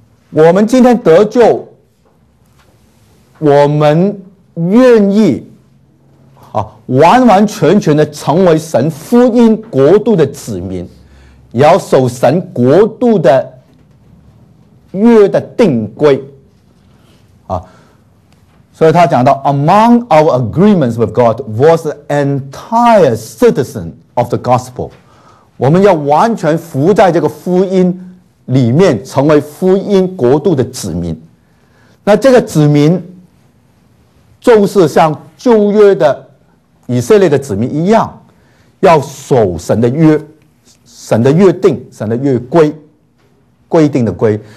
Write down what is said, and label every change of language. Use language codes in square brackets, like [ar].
[zh] 我们今天得救，我们愿意完完全全的成为神福音国度的子民，也要守神国度的约的定规啊。所以他讲到 [en] ，Among our agreements with God was the entire citizen of the gospel。 [zh] 我们要完全服在这个福音里面，成为福音国度的子民。那这个子民，就是像旧约的以色列的子民一样，要守神的约，神的约定，神的约规，规定的规。